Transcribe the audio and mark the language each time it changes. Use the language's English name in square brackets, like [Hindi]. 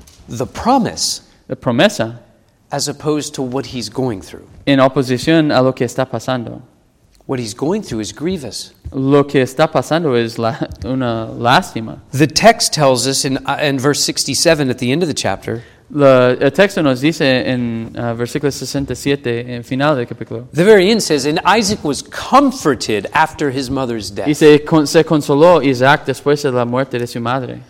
[English] The promise. [Spanish] La promesa. [English] As opposed to what he's going through. [Spanish] En oposición a lo que está pasando. [English] What he's going through is grievous. [Spanish] Lo que está pasando es una lástima. [English] The text tells us in verse 67 at the end of the chapter. [Spanish] El texto nos dice en versículo 67, en final del capítulo. [English] The very end says, and Isaac was comforted after his mother's death. [Spanish] Dice, se consoló Isaac después de la muerte de su madre.